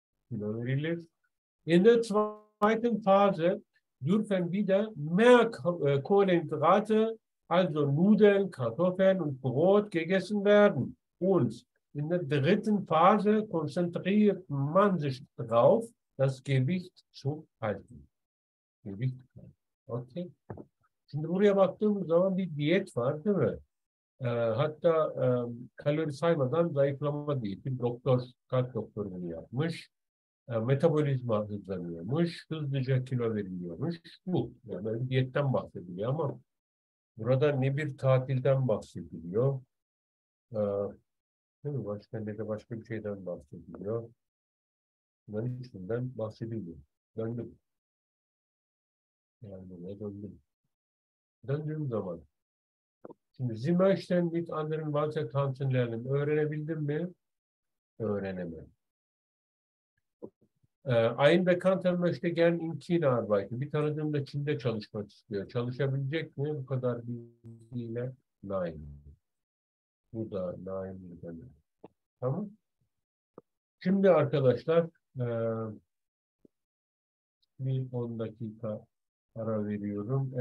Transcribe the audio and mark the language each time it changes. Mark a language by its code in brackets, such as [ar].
[de] In der zweiten Phase dürfen wieder mehr Kohlenhydrate, also Nudeln, Kartoffeln und Brot, gegessen werden. Und in der dritten Phase konzentriert man sich darauf, das Gewicht zu halten. Gewicht. Okay. [tr] Şimdi buraya baktığımız zaman bir diyet var, değil mi? Hatta kalori saymadan zayıflama diyeti. Doktor, kalp doktoru bunu yapmış. Metabolizma hızlanıyormuş. Hızlıca kilo veriliyormuş. Bu. Yani diyetten bahsediliyor ama burada ne bir tatilden bahsediliyor. Değil mi? Başka ne de başka bir şeyden bahsediliyor. Bunların içinden bahsedilmiyor. Döndüm. Yani buraya döndüm. Döndüğüm zaman. [de] Şimdi Sie möchten mit anderen Walzer tanzen lernen. [tr] Öğrenebildim mi? Öğrenemem. [de] Ein Bekannter möchte gern in China arbeiten. [tr] Bir tanıdığım da Çin'de çalışmak istiyor. Çalışabilecek mi bu kadar bilgiyle? Nein. Bu da nein. Tamam. Şimdi arkadaşlar bir 10 dakika ara veriyorum.